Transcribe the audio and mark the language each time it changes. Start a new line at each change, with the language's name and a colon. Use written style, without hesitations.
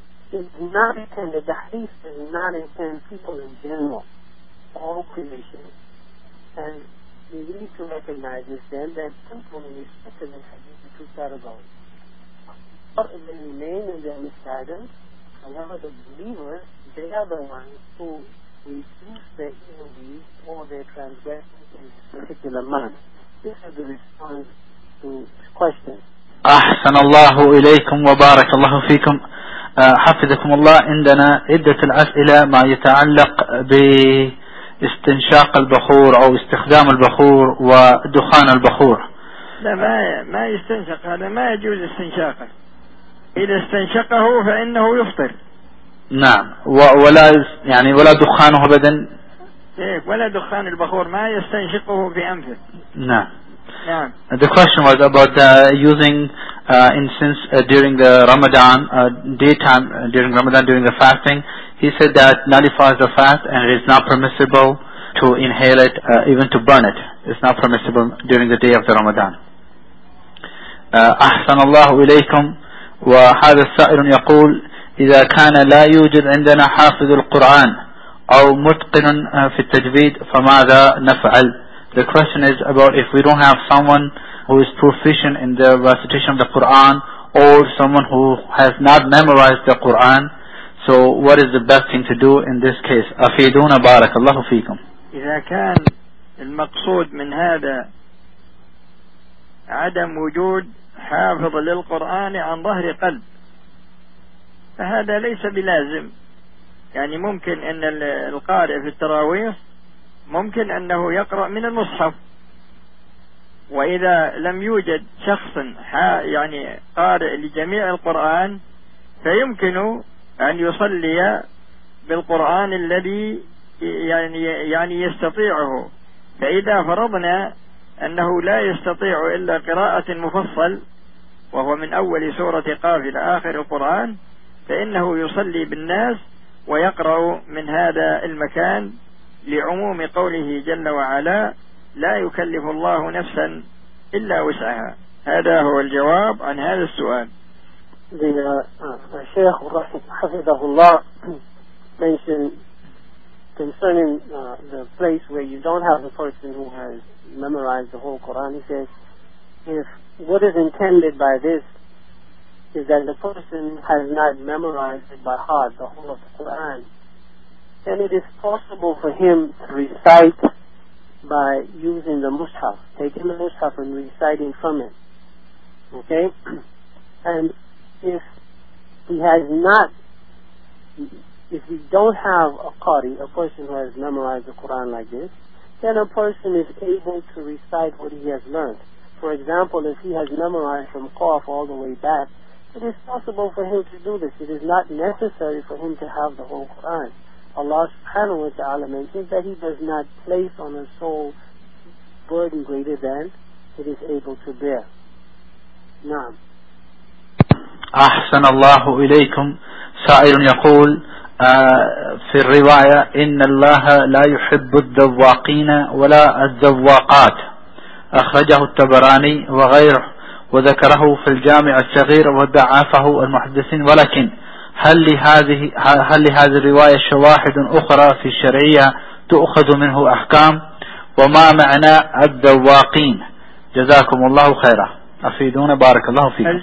English: The hadith does not intend people in general, all creation, and we need to recognize this then, that people in respect to this hadith are two categories. But they remain in their misguidance, however, the believers, they are the ones who reduce their evil deeds or their transgressions in this particular month. This is the response to questions.
Arabic: أحسن الله إليكم وبارك الله فيكم. حفظكم الله. عندنا عدة الأسئلة ما يتعلق باستنشاق البخور أو استخدام البخور ودخان البخور. لا، ما يستنشق، هذا ما يجوز استنشاقه، إذا استنشقه فإنه يفطر. نعم، ولا يعني ولا دخانه ابدا، ولا دخان البخور ما يستنشقه بأنفه. نعم.
English: The question was about using incense during the Ramadan daytime, during Ramadan, during the fasting. He said that nullifies the fast and it's not permissible to inhale it, even to burn it. It's not permissible during the day of the Ramadan.
Arabic: أحسن الله إليكم. وهذا السائل يقول: إذا كان لا يوجد عندنا حافظ القرآن أو متقن في التجويد فماذا نفعل؟
English: The question is about if we don't have someone who is proficient in the recitation of the Quran or someone who has not memorized the Quran, so what is the best thing to do in this case?
Arabic: أفيدونا بارك الله فيكم. إذا كان المقصود من هذا عدم وجود حافظ للقرآن عن ظهر قلب، فهذا ليس بلازم، يعني ممكن أن القارئ في التراويح ممكن أنه يقرأ من المصحف، وإذا لم يوجد شخص يعني قارئ لجميع القرآن فيمكن أن يصلي بالقرآن الذي يعني يستطيعه. فإذا فرضنا أنه لا يستطيع إلا قراءة مفصل وهو من أول سورة قاف إلى آخر القرآن، فإنه يصلي بالناس ويقرأ من هذا المكان لعموم قوله جل وعلا: لا يكلف الله نفسا إلا وسعها. هذا هو الجواب عن هذا السؤال. الشيخ حفظه الله
English: mentioned concerning the place where you don't have a person who has memorized the whole Quran. He says, if what is intended by this is that the person has not memorized it by heart, the whole of the Quran, then it is possible for him to recite by using the mushaf, taking the mushaf and reciting from it. Okay? And if he has not, if we don't have a qari, a person who has memorized the Quran like this, then a person is able to recite what he has learned. For example, if he has memorized from qaf all the way back, it is possible for him to do this. It is not necessary for him to have the whole Quran. Allah subhanahu wa ta'ala mentions that he does not place on a soul burden greater than it is able to bear.
Arabic: Naam. أحسن الله إليكم. سائر يقول في الرواية: إن الله لا يحب الذواقين ولا الذواقات، أخرجه الطبراني وغيره، وذكره في الجامع الصغير وضعفه المحدثين، ولكن هل لهذه الرواية شواهد أخرى في الشرعية تؤخذ منه أحكام؟ وما معنى الذواقين؟ جزاكم الله خيرا، أفيدونا بارك الله فيكم.